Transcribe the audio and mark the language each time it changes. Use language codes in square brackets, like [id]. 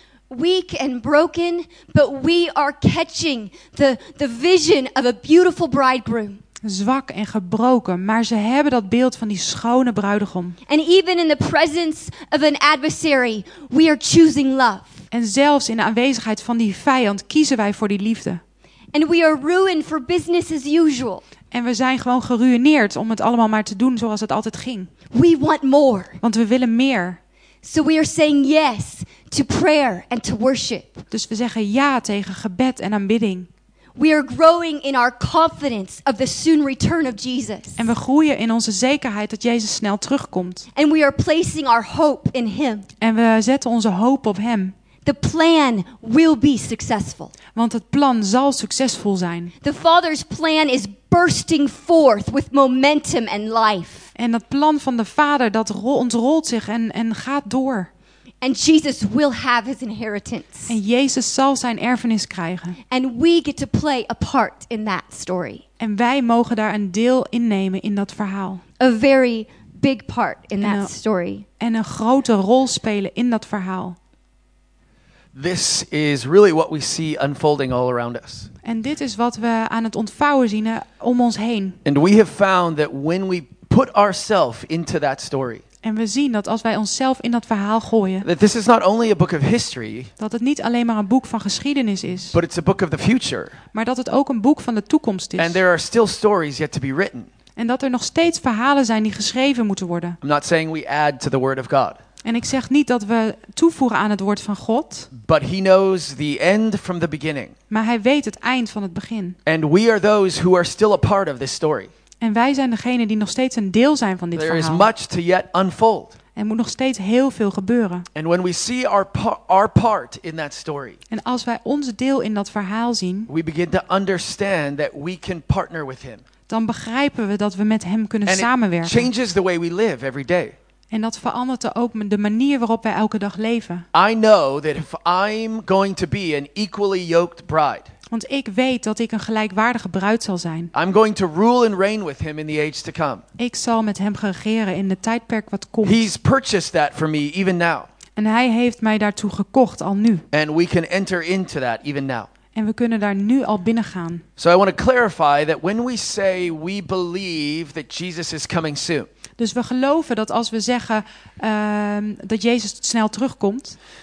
[en] Weak and broken, but we are catching the vision of a beautiful bridegroom. [nl] Zwak en gebroken, maar ze hebben dat beeld van die schone bruidegom. [en] And even in the presence of an adversary, we are choosing love. [nl] En zelfs in de aanwezigheid van die vijand kiezen wij voor die liefde. [en] And we are ruined for business as usual. [nl] En we zijn gewoon geruïneerd om het allemaal maar te doen zoals het altijd ging. [en] We want more. [nl] Want we willen meer. [en] So we are saying yes to prayer and to worship. [nl] Dus we zeggen ja tegen gebed en aanbidding. [en] We are growing in our confidence of the soon return of Jesus. [nl] En we groeien in onze zekerheid dat Jezus snel terugkomt. [en] And we are placing our hope in him. [nl] En we zetten onze hoop op hem. [en] The plan will be successful. [nl] Want het plan zal succesvol zijn. [en] The Father's plan is bursting forth with momentum and life. [nl] En dat plan van de Vader dat ontrolt zich en gaat door. [en] And Jesus will have his inheritance. [nl] En Jezus zal zijn erfenis krijgen. [en] And we get to play a part in that story. [nl] En wij mogen daar een deel innemen in dat verhaal. [en] A very big part in that story. [nl] En een grote rol spelen in dat verhaal. [en] This is really what we see unfolding all around us. [nl] En dit is wat we aan het ontvouwen zien om ons heen. [en] And we have found that when we put ourselves into that story. [nl] En we zien dat als wij onszelf in dat verhaal gooien. [en] That this is not only a book of history. [nl] Dat het niet alleen maar een boek van geschiedenis is. [en] But it's a book of the future. [nl] Maar dat het ook een boek van de toekomst is. [en] And there are still stories yet to be written. [nl] En dat er nog steeds verhalen zijn die geschreven moeten worden. [en] I'm not saying we add to the word of God. [nl] En ik zeg niet dat we toevoegen aan het woord van God. [en] But he knows the end from the beginning. [nl] Maar hij weet het eind van het begin. [en] And we are those who are still a part of this story. [nl] En wij zijn degene die nog steeds een deel zijn van dit [en] There [nl] verhaal. [en] Is much to yet unfold. [nl] Er moet nog steeds heel veel gebeuren. [en] And when we see our part in that story, [nl] en als wij ons deel in dat verhaal zien, [en] we begin to understand that we can partner with him. [nl] Dan begrijpen we dat we met hem kunnen [en] And [nl] samenwerken. [en] It changes the way we live every day. [nl] En dat verandert ook de manier waarop wij elke dag leven. [en] I know that if I'm going to be an equally yoked bride. [nl] Want ik weet dat ik een gelijkwaardige bruid zal zijn. [en] I'm going to rule and reign with him in the age to come. [nl] Ik zal met hem regeren in de tijdperk wat komt. [en] He's purchased that for me even now. [nl] En hij heeft mij daartoe gekocht al nu. [en] And we can enter into that even now. [nl] En we kunnen daar nu al binnen gaan. [en] So I want to clarify that when we say we believe that Jesus is coming soon. [nl] Dus we geloven dat als we zeggen dat Jezus snel terugkomt.